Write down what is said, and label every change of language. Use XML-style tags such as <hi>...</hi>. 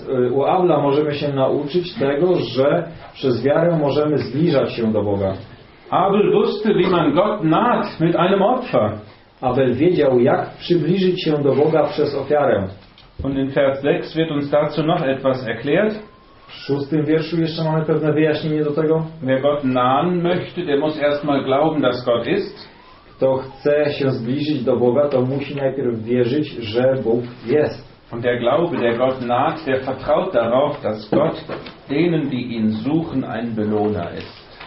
<pl>U Abla możemy się nauczyć tego, że przez wiarę możemy zbliżać się do Boga.</pl> <de>Abel wusste, wie man Gott naht mit einem Opfer.</de> <pl>Abel wiedział, jak przybliżyć się do Boga przez ofiarę.</pl> <de>Und in Vers 6 wird uns dazu noch etwas erklärt.</de> <pl>W 6 wierszu jeszcze mamy pewne wyjaśnienie do tego.</pl> <de>Wer Gott nahen möchte, der muss erstmal glauben, dass Gott ist.</de> <pl>Kto chce się zbliżyć do Boga, to musi najpierw wierzyć, że Bóg jest.</pl> <de>Und der Glaube, der Gott naht, der vertraut darauf, dass Gott denen, die ihn suchen, ein Belohner ist.</de>